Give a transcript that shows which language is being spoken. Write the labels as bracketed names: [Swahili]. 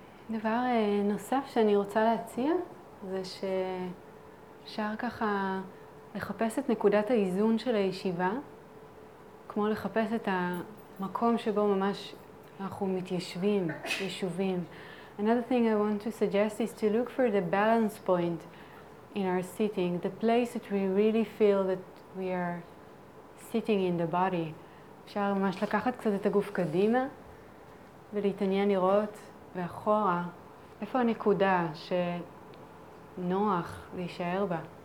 [Hebrew] דבר נוסף שאני רוצה להציע זה שאפשר ככה לחפש את נקודת האיזון של הישיבה, כמו לחפש את המקום שבו ממש אנחנו מתיישבים, ישובים. [English] Another thing I want to suggest is to look for the balance point in our sitting, the place that we really feel that we are sitting in the body. [Hebrew] אפשר ממש לקחת קצת את הגוף קדימה ולהתעניין לראות ואחורה, איפה הנקודה שנוח להישאר בה?